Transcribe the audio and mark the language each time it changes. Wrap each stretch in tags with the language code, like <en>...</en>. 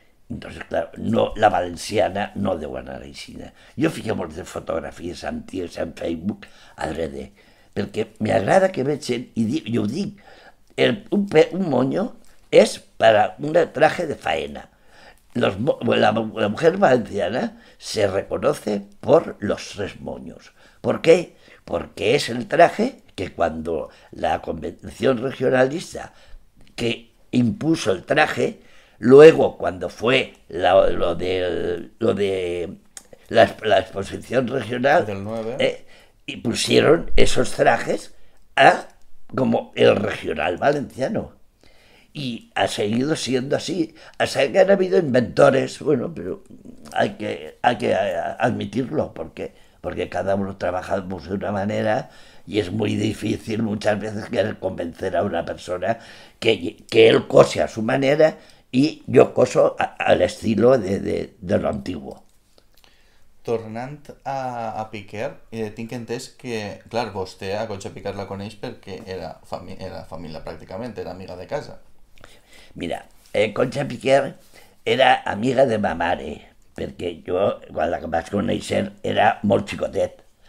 <ca>Entonces, clar, no, la valenciana no deu anar així. Jo fico moltes fotografies antigues en Facebook, adrede, perquè m'agrada que vegin, i dic, jo ho dic, un moño és per a un traje de faena.</ca> <es>La mujer valenciana se reconoce por los tres moños. ¿Por qué? Porque es el traje que cuando la convención regionalista que impuso el traje, luego cuando fue lo de la exposición regional, del 9. Y pusieron esos trajes a como el regional valenciano. Y ha seguido siendo así. Hasta que han habido inventores, bueno, pero hay que admitirlo, porque cada uno trabaja de una manera y es muy difícil muchas veces querer convencer a una persona que él cose a su manera y yo coso al estilo de lo antiguo.</es> <ca>Tornant a Piquer, tinc entès que, clar, vostè a Concha Piquer la coneix perquè era família pràcticament, era amiga de casa. Mira, Concha Piquer era amiga de ma mare, perquè jo, quan la vaig conèixer, era molt xicotet.</ca>